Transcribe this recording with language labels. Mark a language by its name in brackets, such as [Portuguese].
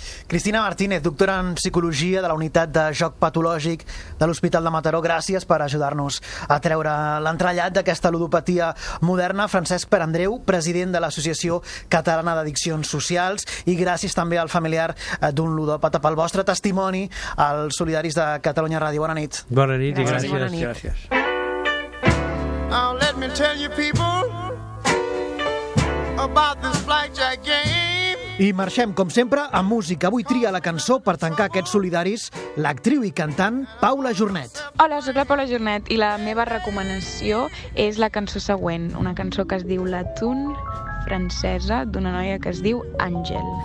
[Catalan] Cristina Martínez, doctora en psicologia de la unitat de joc patològic de l'Hospital de Mataró, gràcies per ajudar-nos a treure l'entrellat d'aquesta ludopatia moderna. Francesc Perandreu, president de l'Associació Catalana d'Addiccions Socials, i gràcies també al familiar d'un ludòpata pel vostre testimoni, als solidaris de Catalunya Ràdio. Bona nit. Bona nit i gràcies. Bona nit. Gràcies. [English] Now let me tell you people about this blackjack game. [Catalan] I marxem, com sempre, amb música. Avui tria la cançó per tancar aquests solidaris l'actriu i cantant Paula Jornet. Hola, sóc la Paula Jornet i la meva recomanació és la cançó següent, una cançó que es diu La Thune francesa, d'una noia que es diu Àngel.